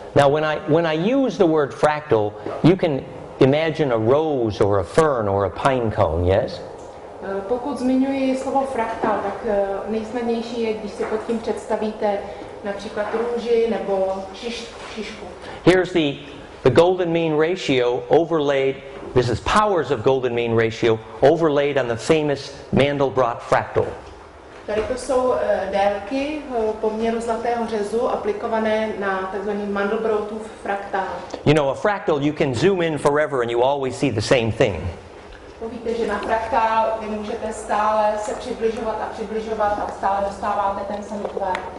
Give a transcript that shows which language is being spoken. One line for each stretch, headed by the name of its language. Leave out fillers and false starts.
English: Now, when I use the word fractal, you can imagine a rose or a fern or a pine cone, yes?
Czech: Pokud zmiňuji slovo fraktál, tak nejsnadnější je, když si pod tím představíte například růži nebo šišku.
English: Here's the golden mean ratio overlaid. This is powers of golden mean ratio overlaid on the famous Mandelbrot fractal.
Czech: Tady to jsou délky poměru zlatého řezu aplikované na takzvaný Mandelbrotův fraktál.
English: You know, a fractal, you can zoom in forever and you always see the same thing.
Czech: Víte, že na fraktál vy můžete stále se přibližovat a stále dostáváte ten samý tvar.